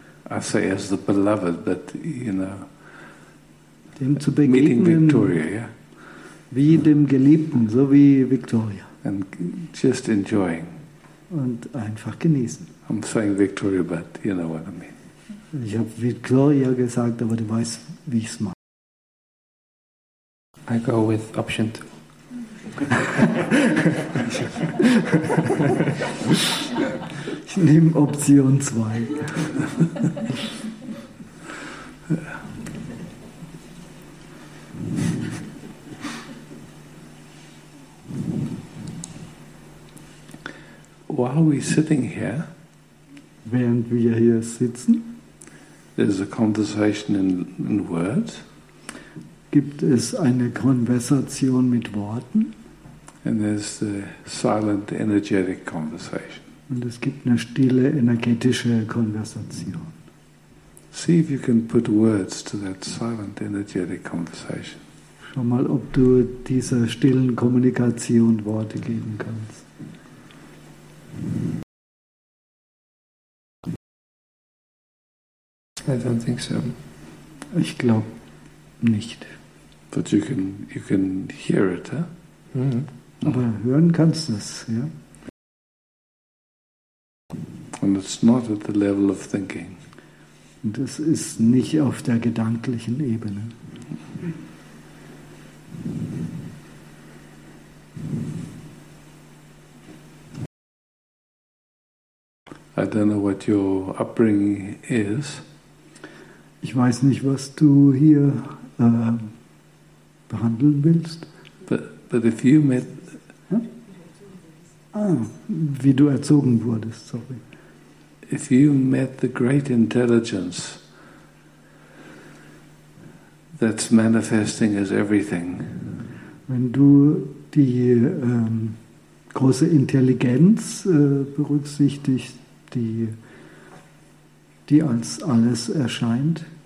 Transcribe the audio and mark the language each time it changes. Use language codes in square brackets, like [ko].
[en] I say as the beloved, but you know, [de] dem zu begegnen, [en] meeting Victoria, yeah. [de] Wie dem Geliebten, so wie Victoria. [en] And just enjoying. [de] Und einfach genießen. [en] I'm saying Victoria, but you know what I mean. [de] Ich habe Victoria gesagt, aber du weißt, wie ich es mache. [en] I go with option 2. [de] Ich nehme Option 2. [en] Yeah. while we're sitting here, [de] während wir hier sitzen, [en] there's a conversation in words. [de] Gibt es eine Konversation mit Worten? [en] And there's the silent energetic conversation. [de] Und es gibt eine stille energetische Konversation. [en] See if you can put words to that silent energetic conversation. [de] Schau mal, ob du dieser stillen Kommunikation Worte geben kannst. [en] I don't think so. [de] Ich glaube nicht. [en] But you can hear it, huh? [de] Mm-hmm. Aber hören kannst du es, ja? [en] And it's not at the level of thinking. [de] Und es ist nicht auf der gedanklichen Ebene. [en] I don't know what your upbringing is. [de] Ich weiß nicht, was du hier behandeln willst. [en] But if you met, [de] wie du erzogen wurdest, sorry. [en] If you met the great intelligence that's manifesting as everything. [de] Wenn du die große Intelligenz berücksichtigst, die als alles erscheint.